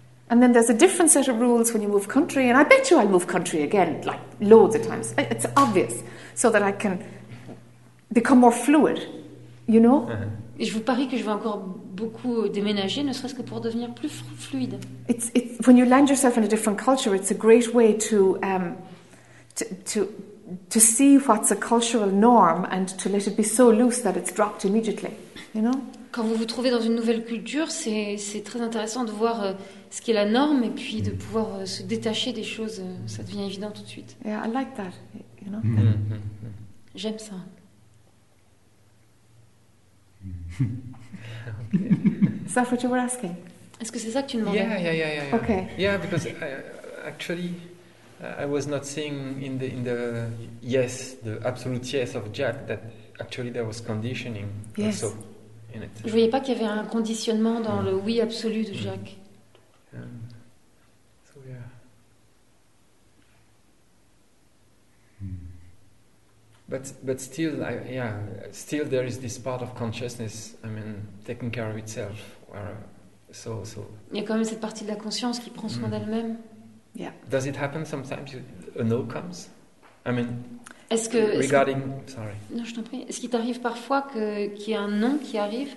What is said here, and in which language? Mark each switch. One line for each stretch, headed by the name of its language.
English: And then there's a different set of rules when you move country, and I bet you I'll move country again, like loads of times. It's obvious, so that I can become more fluid, you know.
French: Et je vous parie que je vais encore beaucoup déménager, ne serait-ce que pour devenir plus fluide.
English: It's when you land yourself in a different culture, it's a great way to see what's a cultural norm and to let it be so loose that it's dropped immediately, you know.
French: Quand vous vous trouvez dans une nouvelle culture, c'est très intéressant de voir ce qui est la norme et puis de pouvoir se détacher des choses, ça devient évident tout de suite.
English: Yeah, I like that, you know.
French: J'aime ça.
English: Is that what you were asking?
French: Est-ce que c'est ça que tu demandais?
English: Yeah. Okay. Yeah, because I was not seeing in the yes, the absolute yes of Jack, that actually there was conditioning. Yes. Also.
French: Je ne voyais pas qu'il y avait un conditionnement dans le oui absolu de Jacques.
English: But still, still there is this part of consciousness. I mean, taking care of itself. So.
French: Il y a quand même cette partie de la conscience qui prend soin d'elle-même.
English: Yeah. Does it happen sometimes? A no comes. I mean.
French: Est-ce qu'il t'arrive parfois qu'il y ait un non qui arrive?